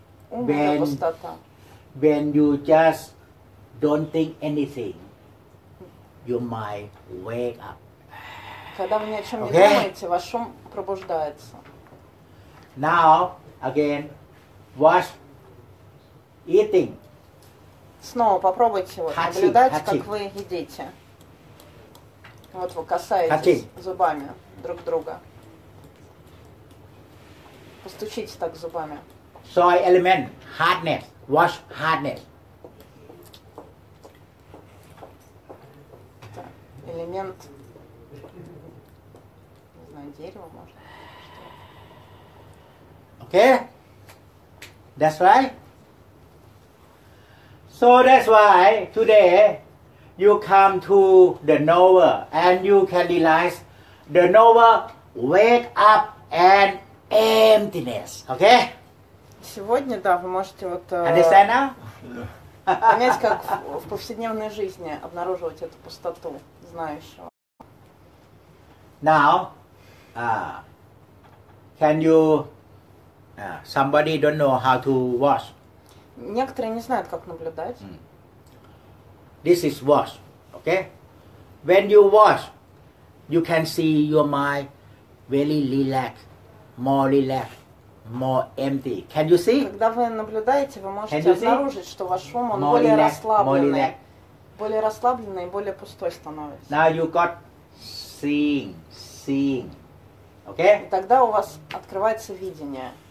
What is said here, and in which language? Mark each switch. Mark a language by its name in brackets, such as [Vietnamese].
[English] When you just don't think anything, your mind wake up. [Russian] Когда вы ни о чем не думаете, ваш ум пробуждается. [English] Now, again, watch eating. [Russian] Снова попробуйте вот наблюдать, как вы едите. Вот вы касаетесь зубами друг друга. Постучите так зубами. [English] Soil element, hardness, watch hardness. [Russian] Элемент, не знаю, дерево, может. [English] Okay? That's right? So that's why today you come to the knower and you can realize the knower wake up and emptiness. Okay? [Russian] Сегодня, да, вы можете вот... [English] Understand now? [Russian] Понять, как в повседневной жизни обнаруживать эту пустоту знающего. [English] Now, can you, somebody don't know how to watch? [Russian] Некоторые не знают, как наблюдать. [English] This is watch, okay? When you watch, you can see your mind very relaxed. More empty. Can you see? [Russian] Когда вы наблюдаете, вы можете обнаружить, что ваш ум он более расслабленный. Более расслабленный и более пустой становится. [English] Now you got seeing. Okay? [Russian] И тогда у вас открывается видение.